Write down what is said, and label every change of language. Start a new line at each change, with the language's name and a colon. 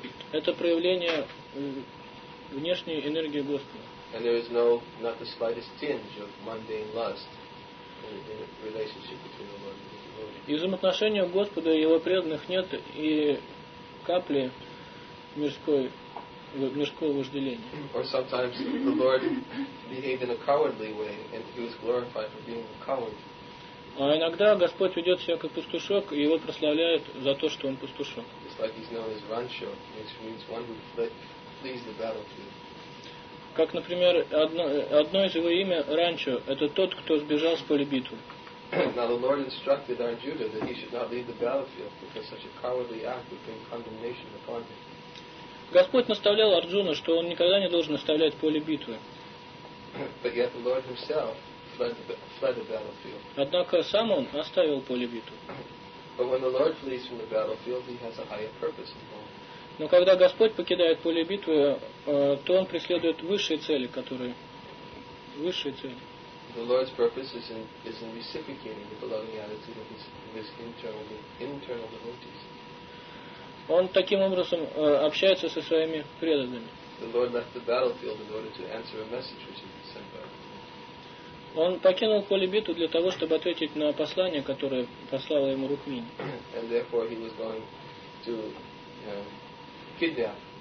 Russian: Это проявление внешней энергии Господа.
English: And there is no, not the slightest tinge of mundane lust in the relationship between the Lord and the devotee.
Russian: И взаимоотношения Господа и его преданных нет и капли мирского вожделения.
English: Or sometimes the Lord behaved in a cowardly way, and he was glorified for being a coward.
Russian: А иногда Господь ведет себя как пастушок, и его прославляют за то, что он пастушок.
English: It's like he's known as Rancho, which means one who flees the battlefield.
Russian: Как, например, одно из его имя Ранчо, это тот, кто сбежал с поля битвы.
English: Now the Lord instructed Arjuna that he should not leave the battlefield because such a cowardly act would bring condemnation upon him.
Russian: Господь наставлял Арджуну, что он никогда не должен оставлять поле битвы.
English: But yet the Lord himself fled the battlefield.
Russian: Однако сам он оставил поле битвы.
English: But when the Lord flees from the battlefield, he has a higher purpose involved.
Russian: Но когда Господь покидает поле битвы, то Он преследует высшие цели, которые... Высшие цели.
English: The Lord's purpose is in reciprocating the beloved attitude of His internal devotees.
Russian: Он таким образом общается со своими преданными.
English: The Lord left the battlefield in order to answer a message which He sent by.
Russian: Он покинул поле битвы для того, чтобы ответить на послание, которое послала ему Рукмини.
English: And therefore he was going to, you know, kidnap.